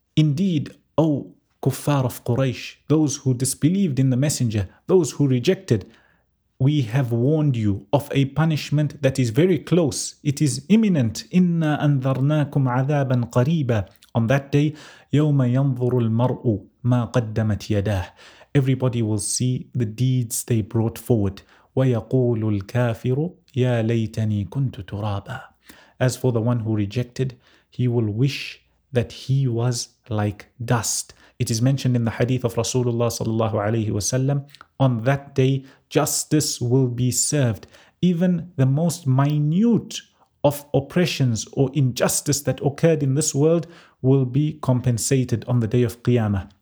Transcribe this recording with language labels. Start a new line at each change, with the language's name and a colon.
English: Indeed, O kuffar of Quraysh, those who disbelieved in the Messenger, those who rejected, we have warned you of a punishment that is very close. It is imminent.
Arabic: إِنَّا أَنذَرْنَاكُمْ عَذَابًا قَرِيبًا.
English: On that day,
Arabic: يَوْمَ يَنظُرُ الْمَرْءُ مَا قَدَّمَتْ يَدَاهُ.
English: Everybody will see the deeds they brought forward.
Arabic: وَيَقُولُ الْكَافِرُ يَا لَيْتَنِي كُنْتُ تُرَابًا.
English: As for the one who rejected, he will wish that he was like dust. It is mentioned in the hadith of Rasulullah sallallahu alayhi wa sallam, on that day, justice will be served. Even the most minute of oppressions or injustice that occurred in this world will be compensated on the day of Qiyamah.